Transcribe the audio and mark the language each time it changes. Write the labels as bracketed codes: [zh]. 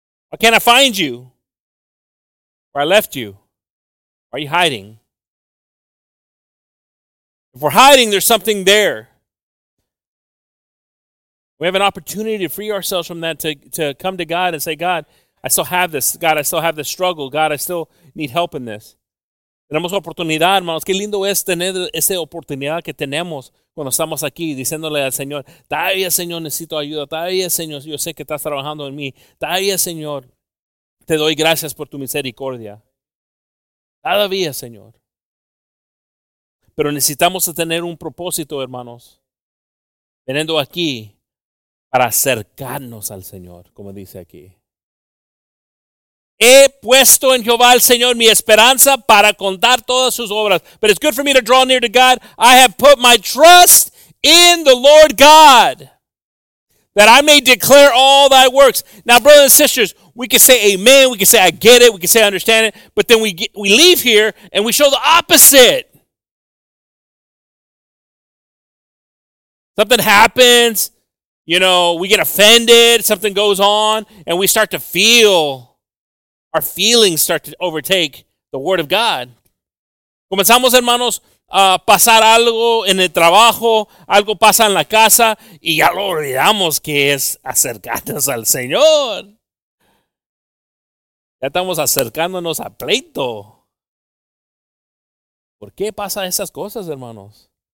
[en] Why can't I find you? Where I left you? Why are you hiding? If we're hiding, there's something there. We have an opportunity to free ourselves from that, to come to God and say, "God, I still have this. God, I still have this struggle. God, I still need help in this." [es] Tenemos oportunidad, hermanos. Qué lindo es tener esa oportunidad que tenemos cuando estamos aquí diciéndole al Señor, "Todavía, Señor, necesito ayuda. Todavía, Señor, yo sé que estás trabajando en mí. Todavía, Señor, te doy gracias por tu misericordia. Todavía, Señor." Pero necesitamos tener un propósito, hermanos, teniendo aquí para acercarnos al Señor, como dice aquí. "He puesto en Jehová el Señor mi esperanza para contar todas sus obras." [en] But it's good for me to draw near to God. I have put my trust in the Lord God. that I may declare all thy works. Now, brothers and sisters, we can say amen, we can say I get it, we can say I understand it, but then we leave here and we show the opposite. Something happens, you know, we get offended, something goes on, and we start to feel, our feelings start to overtake the word of God. [es] Comenzamos, hermanos, pasar algo en el trabajo, algo pasa en la casa, y ya lo olvidamos que es acercarnos al Señor. Ya estamos acercándonos a pleito. ¿Por qué pasa esas cosas, hermanos?